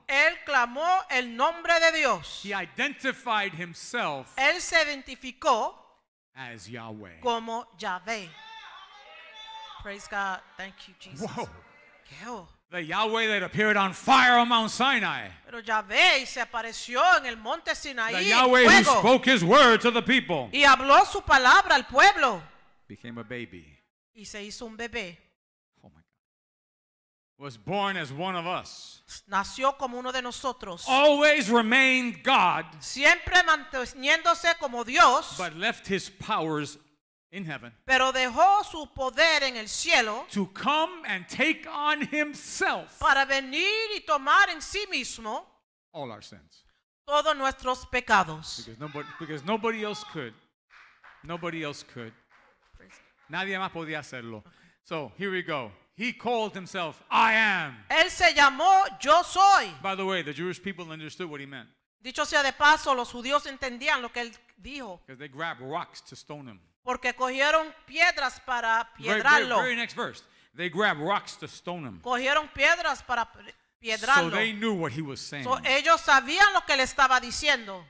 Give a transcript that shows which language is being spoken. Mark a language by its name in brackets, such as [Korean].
[Spanish] Él clamó el nombre de Dios. [English] He identified himself. [Spanish] Él se identificó. [English] As Yahweh. [Spanish] Como Yahvé. [English] Praise God. Thank you, Jesus. Whoa. [Spanish] ¿Qué? [English] The Yahweh that appeared on fire on Mount Sinai. [Spanish] Pero Yahvé se apareció en el monte Sinaí. [English] The Yahweh [Spanish] fuego. [English] Who spoke his word to the people. [Spanish] Y habló su palabra al pueblo. [English] Became a baby. [Spanish] Y se hizo un bebé. [English] Oh my God. Was born as one of us. [Spanish] Nació como uno de nosotros. [English] Always remained God. [Spanish] Siempre manteniéndose como Dios. [English] But left his powers in heaven. [Spanish] Pero dejó su poder en el cielo. [English] To come and take on himself. [Spanish] Para venir y tomar en sí mismo. [English] All our sins. [Spanish] Todos nuestros pecados. [English] Because nobody else could. Nobody else could. [Spanish] Nadie más podía hacerlo. [English] Okay. So here we go. He called himself I am. [Spanish] Él se llamó Yo Soy. [English] By the way, the Jewish people understood what he meant. [Spanish] Dicho sea de paso, los judíos entendían lo que él dijo. [English] Because they grabbed rocks to stone him. [Spanish] Porque cogieron piedras para piedrarlo. [English] Very next verse. They grabbed rocks to stone him. [Spanish] Cogieron piedras para piedrarlo. [English] So they knew what he was saying. [Spanish] So ellos sabían lo que le estaba diciendo.